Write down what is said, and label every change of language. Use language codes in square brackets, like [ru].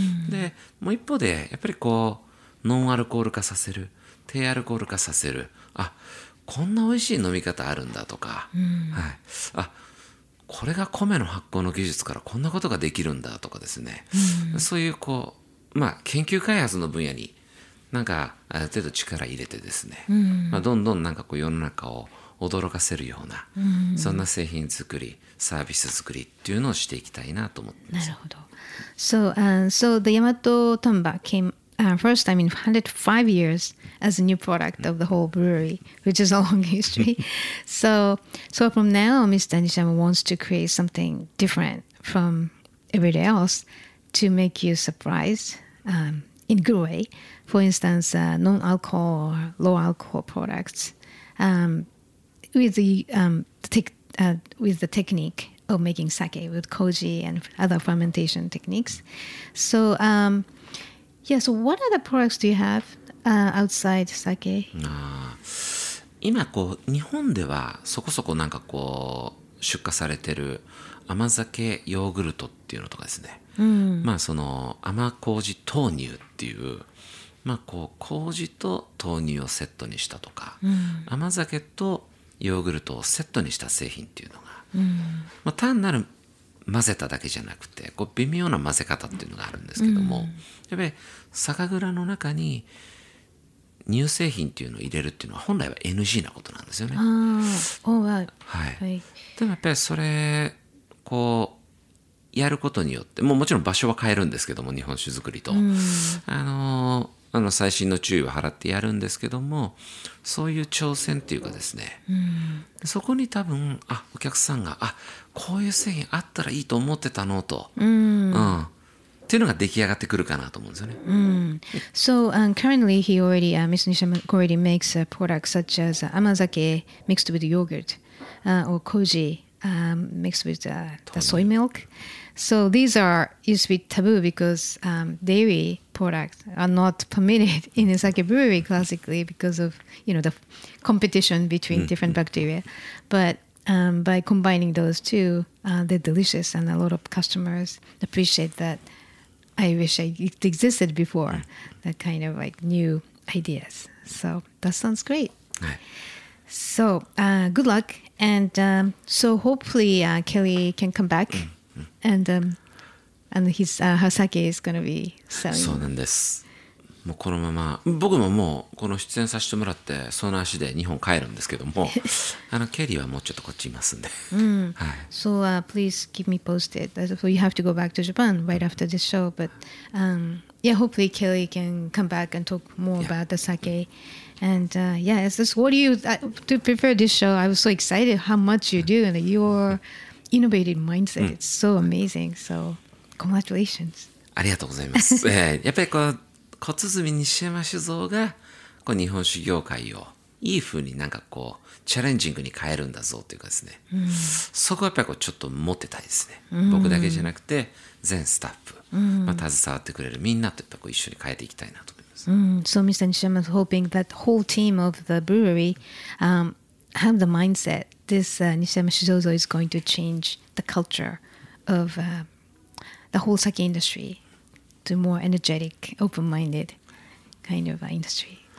[ja] で、もう一方でやっぱりこうノンアルコール化させる、低アルコール化させる、あ、こんな美味しい飲み方あるんだとか、はい、あ、これが米の発酵の技術からこんなことができるんだとかですね、そういうこう、まあ、研究開発の分野に何かある程度力入れてですね、まあ、どんどん何かこう世の中を驚かせるような、そんな製品作りサービス作りっていうのをしていきたいなと思ってます。なるほど。 [en] So,so the Yamato Tamba came first time in 105 years as a new product of the whole brewery, which is a long history. So from now Mr. Nishiyama wants to create something different from everybody else. To make you surprised in good way. For instance, non-alcohol or low-alcohol products with the technique of making sake with koji and other fermentation techniques. So, yeah, so what other products do you have outside sake? [ja] Ah, 今こう日本ではそこそこなんかこう出荷されてる甘酒ヨーグルトっていうのとかですね。まあその甘麹豆乳っていう、まあこう麹と豆乳をセットにしたとか、甘酒とヨーグルトをセットにした製品っていうのが、まあ単なる混ぜただけじゃなくてこう微妙な混ぜ方っていうのがあるんですけども、やっぱり酒蔵の中に乳製品っていうのを入れるっていうのは本来は NG なことなんですよね。はい、でもやっぱりそれこうやることによって、もうもちろん場所は変えるんですけども、日本酒作りと、あの最新の注意を払ってやるんですけども、そういう挑戦っていうかですね、そこに多分、あ、お客さんが、あ、こういう製品あったらいいと思ってたのと、っていうのが出来上がってくるかなと思うんですよね。 [en] So currently he already Mr. Nishiyama already makes a product such as 甘酒 mixed with yogurt or koji mixed with the soy milk. So these are used to be taboo because dairy products are not permitted in a sake brewery classically because of, you know, the competition between different bacteria. But By combining those two, they're delicious, and a lot of customers appreciate that. I wish it existed before, that kind of like new ideas. So that sounds great. So good luck. And so hopefully Kelly can come back and his her sake is going to be selling. [ja] そうなんです。もうこのまま、僕ももうこの出演させてもらって、その足で日本帰るんですけども、ケリーはもうちょっとこっちいますんで。 [en] So please keep me posted. So you have to go back to Japan right after this show. But yeah, hopefully Kelly can come back and talk more about the sake. And yeah, this, what do you to prepare this show? I was so excited how much you do and your innovative mindset. It's so amazing. So congratulations. [ja] ありがとうございます。やっぱりこう小鼓西山酒造がこう日本酒業界をいい風になんかこうチャレンジングに変えるんだぞというかですね。そこはやっぱりこうちょっと持ってたいですね。僕だけじゃなくて全スタッフ、携わってくれるみんなとやっぱこう一緒に変えていきたいなと。 [en] So Mr. Nishiyama is hoping that the whole team of the brewery have the mindset this Nishiyama Shizozo is going to change the culture of the whole sake industry to more energetic, open-minded kind of industry.